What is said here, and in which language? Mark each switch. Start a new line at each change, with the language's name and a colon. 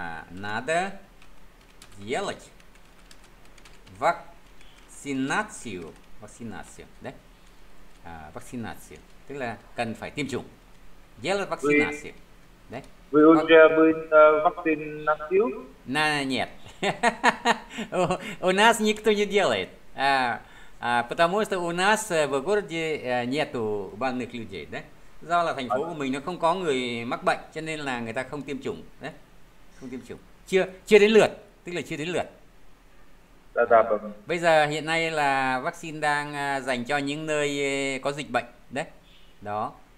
Russian: Надо делать вакцинацию, вакцинацию, да?
Vietnamese: А, вакцинацию, tức là cần phải tiêm chủng.
Russian: Делать вакцинацию, да? Вы уже были вакцинацию? Нет. У нас никто не делает. Потому что у нас в городе нету больных людей, да?
Vietnamese: Do là thành phố của mình nó không có người mắc bệnh, cho nên là người ta không tiêm chủng, đấy. Không tiêm chủng. Chưa đến lượt, tức là chưa đến lượt. À, bây giờ hiện nay là vaccine đang dành cho những nơi có dịch bệnh đấy đó.